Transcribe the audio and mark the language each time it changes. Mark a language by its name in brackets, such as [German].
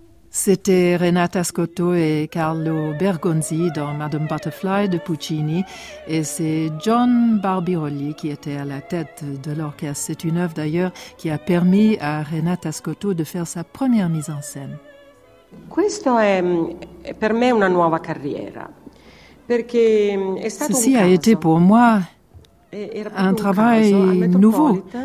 [French] C'était Renata Scotto et Carlo Bergonzi dans Madame Butterfly de Puccini. Et c'est John Barbirolli qui était à la tête de l'orchestre. C'est une œuvre d'ailleurs qui a permis à Renata Scotto de faire sa première mise en scène. [Italian] Questo è per me una nuova carriera. Perché è stato [French] Ceci a été pour moi un travail nouveau.